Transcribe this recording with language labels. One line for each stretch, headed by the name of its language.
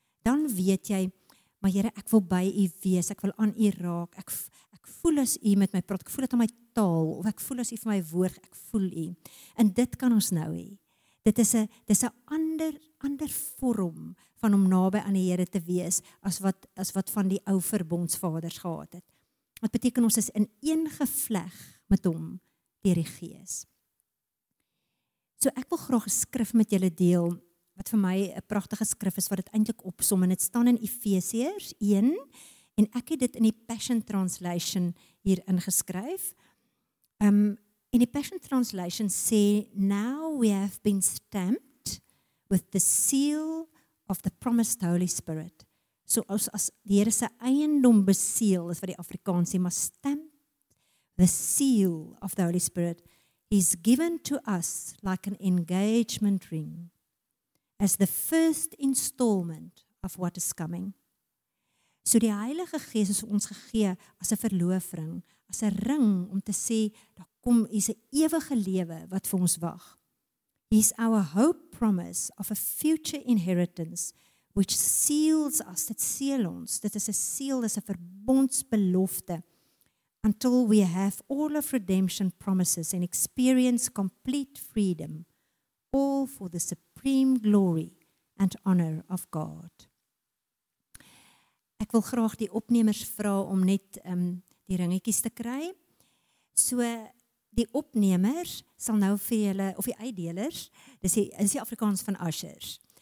Afrikaans: Dan weet jy, maar Here, ek wil by u wees, ek wil aan u raak, ek voel as u met my praat, ek voel dit aan my taal, of ek voel as u vir my woord, ek voel u. En dit kan ons nou hê. Dit is 'n ander vorm van om naby aan die Here te wees as wat van die ou verbondsvaders gehad het. Wat beteken ons is in een gevleg met hom deur die Gees. So ek wil graag 'n skrif met julle deel wat vir my 'n pragtige skrif is wat dit eintlik opsom en dit staan in Efesiërs 1 en ek het dit in die Passion Translation hier ingeskryf.
English: In the Passion Translation say, now we have been stamped with the seal of the promised Holy Spirit. So as die Here se eiendom beseel, is wat die Afrikaans sê, maar stamped, the seal of the Holy Spirit is given to us like an engagement ring as the first installment of what is coming.
Afrikaans: So die Heilige Gees is ons gegee as 'n verloofring, as 'n ring om te sê, kom, is 'n ewige lewe wat vir ons wag.
English: He's our hope promise of a future inheritance which seals us,
Afrikaans: dit seal ons, dit is 'n seal, dit is 'n verbondsbelofte
English: until we have all of redemption promises and experience complete freedom all for the supreme glory and honor of God.
Afrikaans: Ek wil graag die opnemers vra om net die ringetjies te kry. So die opnemers sal nou vir julle, of die uitdelers, dis die Afrikaans van ushers.